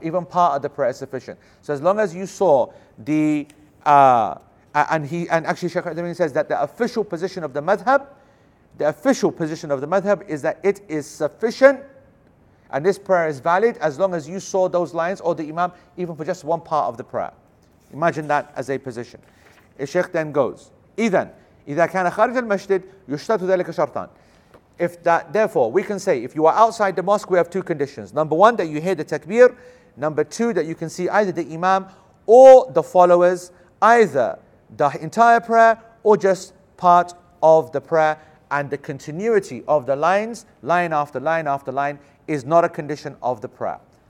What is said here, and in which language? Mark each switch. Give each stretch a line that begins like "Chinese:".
English: Even part of the prayer is sufficient. So as long as you saw the... And actually Sheikh Al-Adamin says that the official position of the madhab, the official position of the madhab is that it is sufficient and this prayer is valid as long as you saw those lines or the imam even for just one part of the prayer. Imagine that as a position. Sheikh then goes,
Arabic: إذن إذا كان خارج المسجد يشترط ذلك شرطان.
English: If that, therefore, we can say, if you are outside the mosque, we have two conditions. Number one, that you hear the takbir. Number two, that you can see either the imam or the followers, either the entire prayer or just part of the prayer. And the continuity of the lines, line after line after line, is not a condition of the prayer.